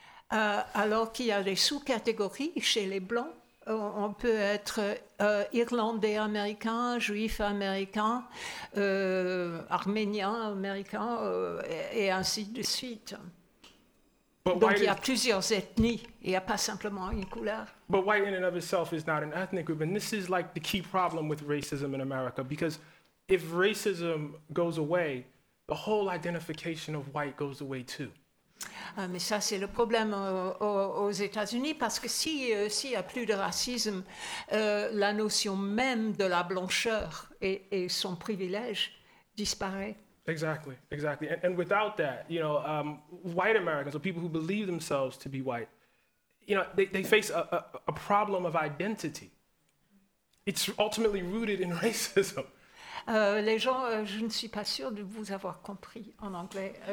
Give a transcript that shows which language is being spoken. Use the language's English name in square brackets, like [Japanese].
[French] Alors qu'il y a des sous-catégories chez les blancs, on peut être Irlandais américain, Juif américain, Arménien américain, et ainsi de suite. But donc il y a plusieurs ethnies, il n'y a pas simplement une couleur. [English] But white in and of itself is not an ethnic group, and this is like the key problem with racism in America, because if racism goes away, the whole identification of white goes away too. [French] Mais ça, c'est le problème aux États-Unis, parce que s'il n'y a plus de racisme, la notion même de la blancheur et son privilège disparaît. [English] Exactly, exactly. And without that, you know, white Americans, or people who believe themselves to be white, you know, they face a problem of identity. It's ultimately rooted in racism. [French] Les gens, je ne suis pas sûre de vous avoir compris en anglais.